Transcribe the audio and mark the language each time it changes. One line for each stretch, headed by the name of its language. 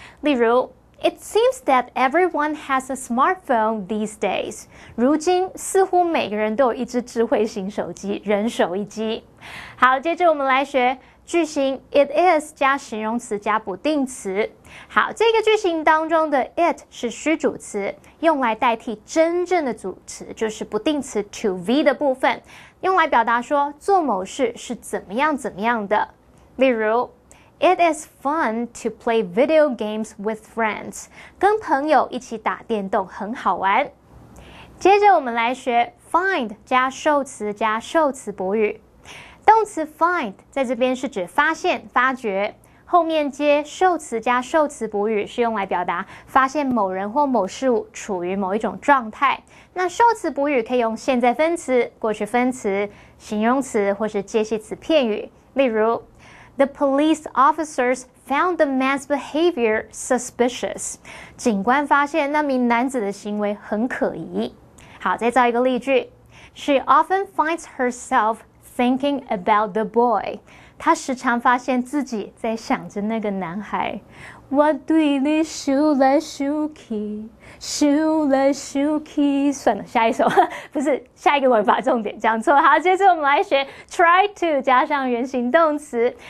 English: 例如 ，It seems that everyone has a smartphone these days。
Chinese: 如今似乎每个人都有一只智慧型手机，人手一机。好，接着我们来学句型 it is 加形容词加不定词。好，这个句型当中的 it 是虚主词，用来代替真正的主词，就是不定词 to be 的部分。用来表达说做某事是怎么样怎么样的。
English: 例如 ,It is fun to play video games with friends.
Chinese: 跟朋友一起打电动很好玩。接着我们来学 find 加受词加受词补语。动词 find 在这边是指发现、发掘。后面接受词加受词补语是用来表达发现某人或某事物处于某一种状态。那受词补语可以用现在分词、过去分词、形容词或是介系词片语。
English: 例如 ,The police officers found the man's behavior suspicious.
Chinese: 警官发现那名男子的行为很可疑。好，再造一个例句
English: ,She often finds herself thinking about the boy.
Chinese: 他时常发现自己在想着那个男孩。我对你想来想去，想来想去。算了，下一首不是下一个文法重点，讲错。好，接着我们来学 try to 加上原形动词。